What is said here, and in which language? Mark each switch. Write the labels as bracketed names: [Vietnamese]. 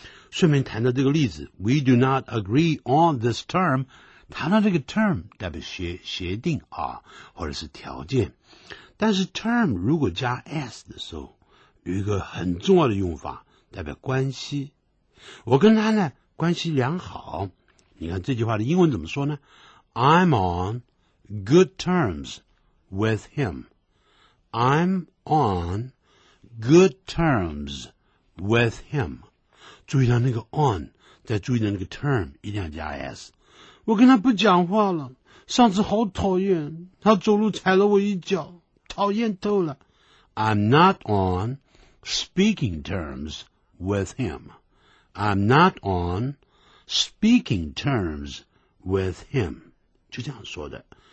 [Chinese] 顺便谈到这个例子 [English] We do not agree on this term， [Chinese] 谈到这个 term 代表 协定啊，或者是条件。但是 term 如果加 s 的时候有一个很重要的用法，代表关系。我跟他呢关系良好，你看这句话的英文怎么说呢？ [English] I'm on good terms with him， I'm on good terms with him。 [Chinese] 注意到那个 on， 再注意到那个 term， 一定要加 s。我跟他不讲话了，上次好讨厌，他走路踩了我一脚，讨厌透了。 [English] I'm not on speaking terms with him， I'm not on speaking terms with him， [Chinese] 就这样说的。